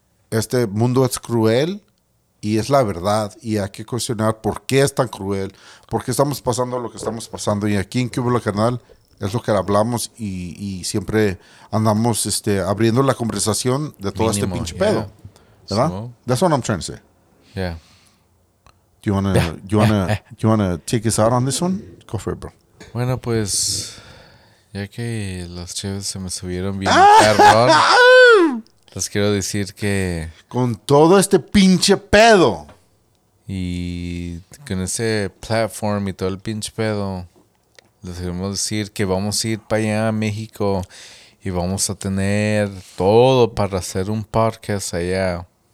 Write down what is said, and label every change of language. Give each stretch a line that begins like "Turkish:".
Spanish: Este mundo es cruel y es la verdad. Y hay que cuestionar por qué es tan cruel, por qué estamos pasando lo que estamos pasando. Y aquí en Cubo la Canal es lo que hablamos y siempre andamos abriendo la conversación de todo. Mínimo. Este pinche pedo.
English: Yeah. ¿Verdad? So, that's what I'm trying to say. Yeah. Do you wanna take us out on this one? Go for it, bro.
Spanish: Bueno, pues ya que los cheves se me subieron bien, perdón. Les quiero decir que con todo este pinche pedo y con ese platform y todo el pinche pedo, les queremos decir que vamos a ir para allá a México y vamos a tener todo para hacer un podcast allá.